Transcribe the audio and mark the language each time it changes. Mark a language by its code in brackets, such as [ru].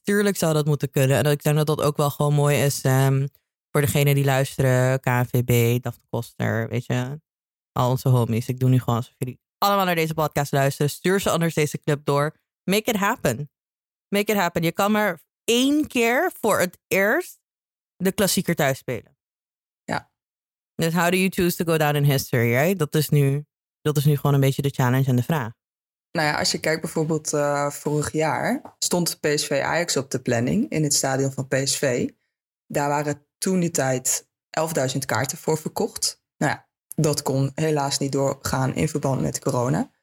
[nl] Tuurlijk zou dat moeten kunnen. En ik denk dat dat ook wel gewoon mooi is. Voor degene die luisteren. KNVB, Daphne Koster, weet je. Al onze homies. Ik doe nu gewoon alsof jullie allemaal naar deze podcast luisteren. Stuur ze anders deze clip door. [en] Make it happen. Make it happen. [nl] Je kan maar 1 keer voor het eerst de klassieker thuis spelen. Ja. [en] Dus how do you choose to go down in history, right? [nl] Dat is nu gewoon een beetje de challenge en de vraag. Nou ja, als je kijkt bijvoorbeeld vorig jaar, stond PSV Ajax op de planning in het stadion van PSV. Daar waren toen die tijd 11.000 kaarten voor verkocht. Nou ja, dat kon helaas niet doorgaan in verband met corona.